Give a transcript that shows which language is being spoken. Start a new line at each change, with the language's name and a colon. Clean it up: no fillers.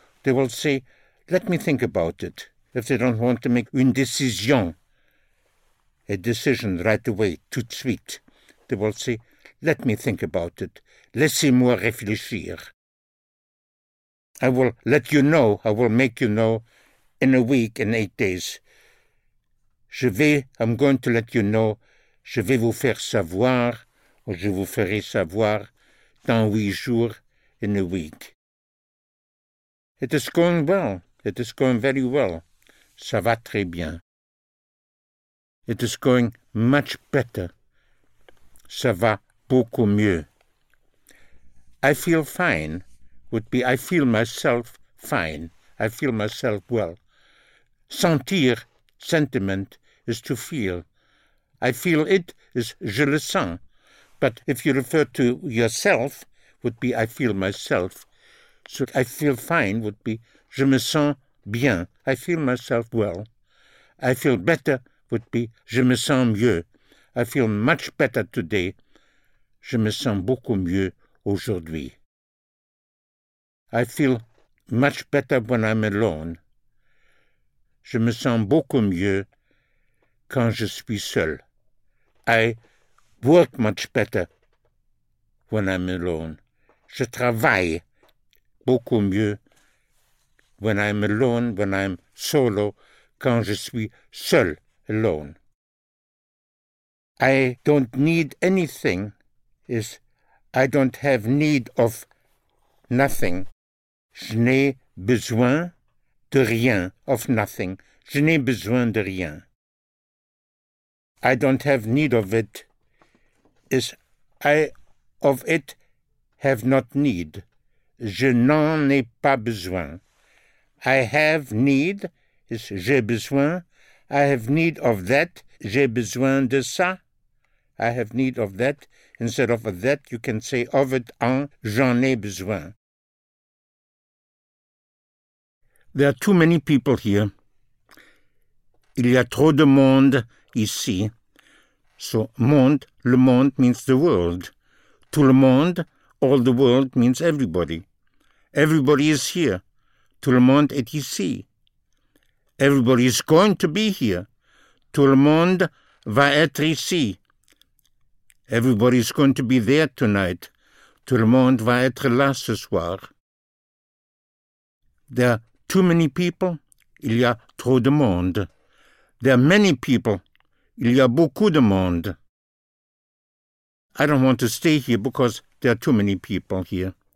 English: They will say, let me think about it. If they don't want to make
French: une décision.
English: A decision right away,
French: tout de suite.
English: They will say, let me think about it.
French: Laissez-moi réfléchir.
English: I will let you know, I will make you know in a week, in 8 days.
French: Je vais,
English: I'm going to let you know,
French: je vais vous faire savoir, ou je vous ferai savoir dans 8 jours,
English: in a week. It is going well, it is going very well.
French: Ça va très bien.
English: It is going much better.
French: Ça va beaucoup mieux.
English: I feel fine would be I feel myself fine. I feel myself well. Sentir, sentiment, is to feel. I feel it is
French: je le sens.
English: But if you refer to yourself, would be I feel myself. So I feel fine would be
French: je me sens bien.
English: I feel myself well. I feel better would be
French: je me sens mieux.
English: I feel much better today.
French: Je me sens beaucoup mieux aujourd'hui.
English: I feel much better when I'm alone.
French: Je me sens beaucoup mieux quand je suis seul.
English: I work much better when I'm alone.
French: Je travaille beaucoup mieux
English: when I'm alone, when I'm solo,
French: quand je suis seul.
English: Alone. I don't need anything is I don't have need of nothing.
French: Je n'ai besoin de rien,
English: of nothing.
French: Je n'ai besoin de rien.
English: I don't have need of it is I of it have not need
French: je n'en ai pas besoin.
English: I have need is
French: j'ai besoin.
English: I have need of that.
French: J'ai besoin de ça.
English: I have need of that. Instead of that, you can say of it en
French: j'en ai besoin.
English: There are too many people here.
French: Il y a trop de monde ici.
English: So monde, le monde means the world.
French: Tout le monde,
English: all the world means everybody. Everybody is here.
French: Tout le monde est ici.
English: Everybody is going to be here.
French: Tout le monde va être ici.
English: Everybody is going to be there tonight.
French: Tout le monde va être là ce soir.
English: There are too many people.
French: Il y a trop de monde.
English: There are many people.
French: Il y a beaucoup de monde.
English: I don't want to stay here because there are too many people here.